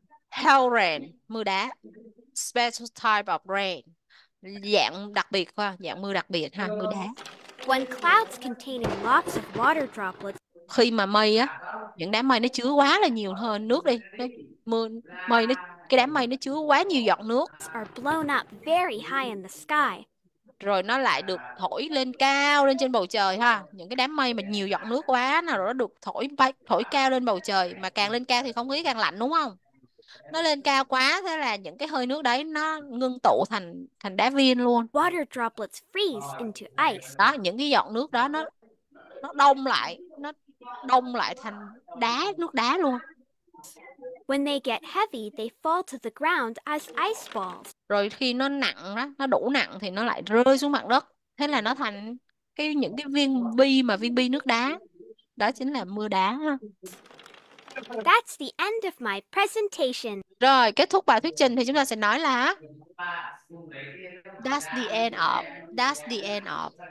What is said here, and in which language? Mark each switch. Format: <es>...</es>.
<en>Hail rain,</en> <vi>mưa đá.</vi> <en>Special type of rain.</en> <vi>Dạng đặc biệt ha, dạng mưa đặc biệt ha, mưa đá.</vi> <en>When clouds containing lots of water droplets.</en> <vi>Khi mà mây á, những đám mây nó chứa quá là nhiều hơn nước đi. Nó, mưa mây nó cái đám mây nó chứa quá nhiều giọt nước.</vi> <en>Are blown up very high in the sky.</en> <vi>Rồi nó lại được thổi lên cao lên trên bầu trời ha. Những cái đám mây mà nhiều giọt nước quá nào rồi nó được thổi bay, thổi cao lên bầu trời, mà càng lên cao thì không khí càng lạnh đúng không? Nó lên cao quá thế là những cái hơi nước đấy nó ngưng tụ thành thành đá viên luôn.</vi> <en>Water droplets freeze into ice.</en> <vi>Đó, những cái giọt nước đó nó đông lại, nó đông lại thành đá, nước đá luôn.</vi> <en>When they get heavy, they fall to the ground as ice balls.</en> <vi>Rồi khi nó nặng đó, nó đủ nặng thì nó lại rơi xuống mặt đất. Thế là nó thành cái những cái viên bi, mà viên bi nước đá. Đó chính là mưa đá.</vi> <en>That's the end of my presentation.</en> <vi>Rồi, kết thúc bài thuyết trình thì chúng ta sẽ nói là</vi> <en>that's the end of,</en> <vi>that's the end of.</vi>